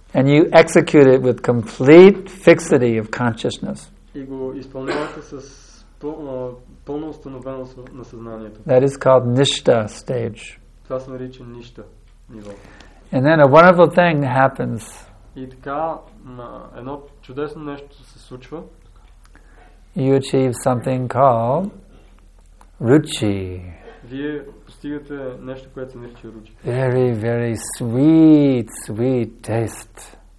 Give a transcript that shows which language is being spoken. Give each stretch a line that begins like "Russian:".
English: And you execute it with complete fixity of consciousness.
Bulgarian: И го изпълнявате с пълно установеност на съзнанието.
English: That is called nishta stage.
Bulgarian: Това се нарича ништа ниво.
English: And then a wonderful thing happens.
Bulgarian: И така, едно чудесно нещо се случва.
English: You achieve something called ruchi.
Bulgarian: Вие постигате нещо, което се нарича ruchi.
English: Very, very sweet, sweet taste.